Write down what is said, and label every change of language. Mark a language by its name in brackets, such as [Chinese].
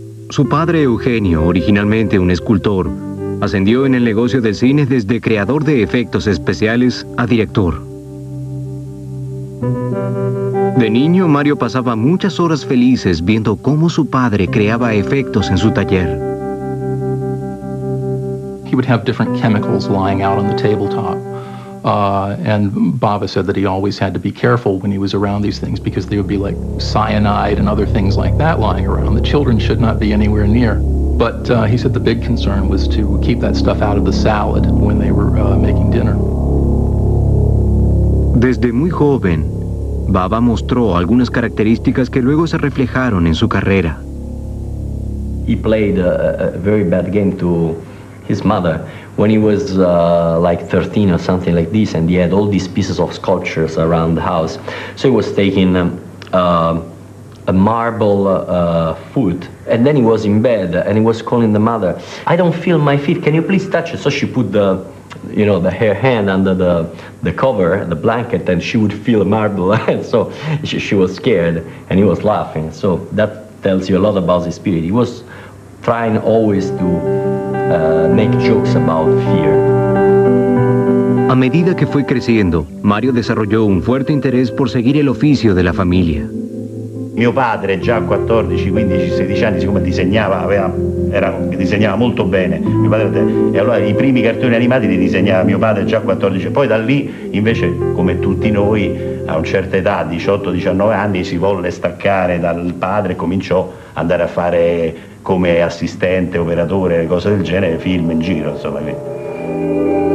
[Spanish] Su padre Eugenio, originalmente un escultor, ascendió en el negocio del cine desde creador de efectos especiales a director. De niño, Mario pasaba muchas horas felices viendo cómo su padre creaba efectos en su taller. [English] He would have different chemicals lying out on the tabletop. And Bava said that he always had to be careful when he was around these things because there would be like cyanide and other things like that lying around. The children should not be anywhere near. But he said the big concern was to keep that stuff out of the salad when they were making dinner. [Spanish] Desde muy joven, Bava mostró algunas características que luego se reflejaron en su carrera. [English] He played a very bad game to his mother when he was like 13 or something like this, and he had all these pieces of sculptures around the house. So he was taking a marble foot, and then he was in bed and he was calling the mother, "I don't feel my feet, can you please touch it?" So she put the, you know, the her hand under the cover, the blanket, and she would feel a marble. And so she was scared and he was laughing. So that tells you a lot about his spirit. He was trying always to make jokes about fear. [Spanish] A medida que fue creciendo, Mario desarrolló un fuerte interés por seguir el oficio de la familia. [Italian] Mio padre già a 14, 15, 16 anni, siccome disegnava, disegnava molto bene, mio padre, e allora i primi cartoni animati li disegnava mio padre già a 14, poi da lì invece, come tutti noi, a una certa età, 18, 19 anni, si volle staccare dal padre e cominciò ad andare a fare come assistente, operatore, cose del genere, film in giro, insomma.